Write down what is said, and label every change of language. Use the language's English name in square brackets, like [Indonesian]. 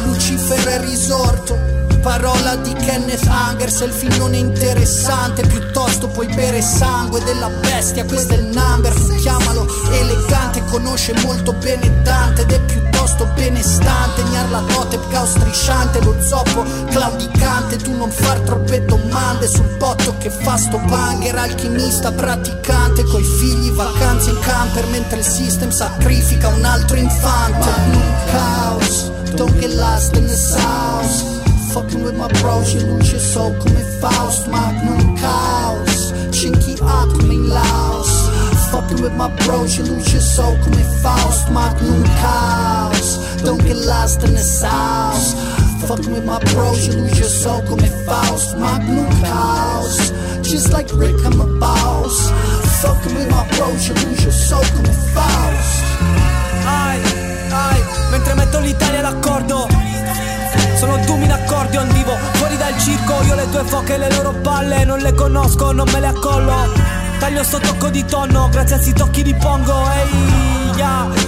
[Italian] Lucifero è risorto, parola di Kenneth Angers, il film non è interessante, piuttosto puoi bere sangue della bestia, questo è il number, chiamalo elegante, conosce molto bene Dante ed è piuttosto benestante, Nyarlathotep caos strisciante, lo zoppo claudicante, tu non far troppe domande sul botto che fa sto banger, alchimista praticante, coi figli vacanze in camper, mentre il system sacrifica un altro infante. [English] Magnum caos, don't get lost in the sauce, fucking with my bros, you lose your soul come Faust. Magnum caos, chinky up come in Laos, fucking with my bros, you lose your soul come Faust. Magnum caos, don't get lost in the sauce, fucking with my bros, you lose your soul come Faust. Magnum caos, just like Rick I'm a boss, fucking with my bros, you lose your soul come Faust. [Italian] Ai, ai, mentre metto l'Italia d'accordo, sono Dumi d'accordo al vivo, fuori dal circo, io le tue foche e le loro palle, non le conosco, non me le accollo. Taglio sto tocco di tonno, grazie a sti tocchi di pongo, ehi, yeah.